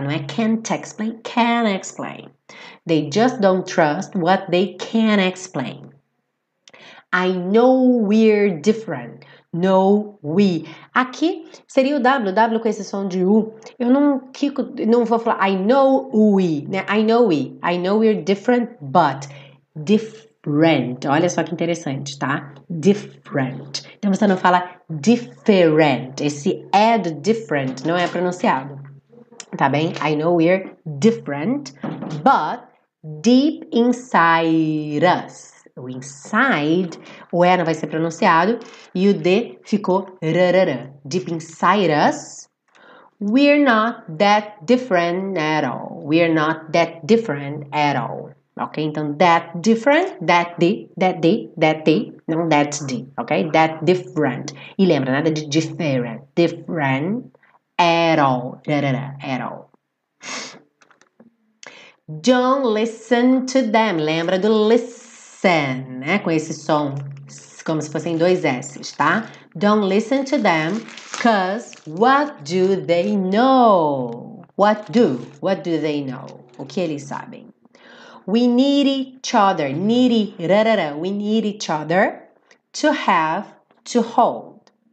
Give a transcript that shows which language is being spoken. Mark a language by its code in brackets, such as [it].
[pt] Não é can't explain, can explain. [en] They just don't trust what they can explain. I know we're different. [pt] No, [en] we. [pt] Aqui seria o W com esse som de U. Eu não quico, não vou falar [en] I know we, [pt] né? [en] I know we. I know we're different, but different. [pt] Olha só que interessante, tá? Different. Então você não fala different. Esse é do different, não é pronunciado. Tá bem? [en] I know we're different, but deep inside us. [pt] O inside, o E não vai ser pronunciado, e o D ficou rarara. [en] Deep inside us, we're not that different at all. We're not that different at all. Ok? Então, that different, that deep, não that deep, ok? That different. [pt] E lembra, nada de [en] different. Different at all. Rarara, at all. Don't listen to them. [pt] Lembra do listen. Né? Com esse som, como se fossem dois S's, tá? [en] Don't listen to them, cause what do they know? What do they know? [pt] O que eles sabem? [en] We need each other, needy, rarara, we need each other to have, to hold.